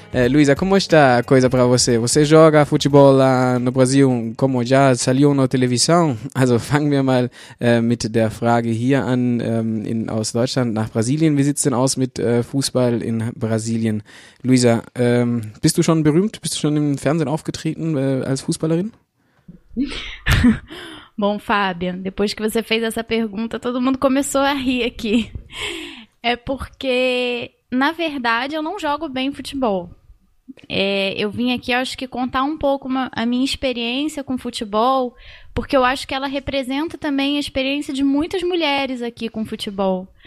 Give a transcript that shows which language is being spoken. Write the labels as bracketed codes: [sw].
[pt] Luisa, como está a coisa para você? Você joga futebol lá no Brasil, como já saiu na televisão? [de] Also fangen wir mal mit der Frage hier an, aus Deutschland nach Brasilien. Wie sieht es denn aus mit Fußball in Brasilien? Luisa, bist du schon berühmt? Bist du schon im Fernsehen aufgetreten als Fußballerin? [pt] Bom, Fábio, depois que você fez essa pergunta, todo mundo começou a rir aqui. É porque... Na verdade, eu não jogo bem futebol. Eu vim aqui, acho que, contar um pouco a minha experiência com futebol, porque eu acho que ela representa também a experiência de muitas mulheres aqui com futebol.